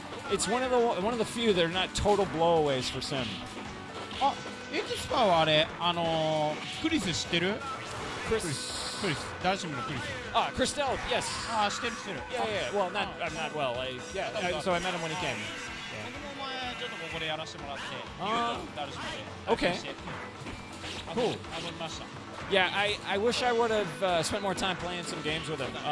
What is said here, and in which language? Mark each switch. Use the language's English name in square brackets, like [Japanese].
[English] It's one of the few that are not total blowaways for Sim. Oh. [Japanese] エキスパーはあれ、クリス知ってる？クリス、ダルシムのクリス。あ、クリステル、yes。あ、知ってる。 [English] Yeah. Well, not, I'm not well. So I met him when he came. [Japanese] 僕もちょっとここでやらせてもらって、ダルシムで。 [English] Okay. Cool. [Japanese] 遊びました。 [English] Yeah, I wish I would have spent more time playing some games with him.